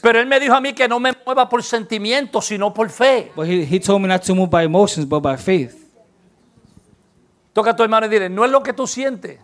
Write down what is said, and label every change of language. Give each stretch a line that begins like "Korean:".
Spanish: Pero él me dijo a mí que no me mueva por sentimientos, sino por fe.
English: But he told me not to move by emotions, but by faith.
Spanish: Toca a tu hermano y dile, no es lo que tú sientes.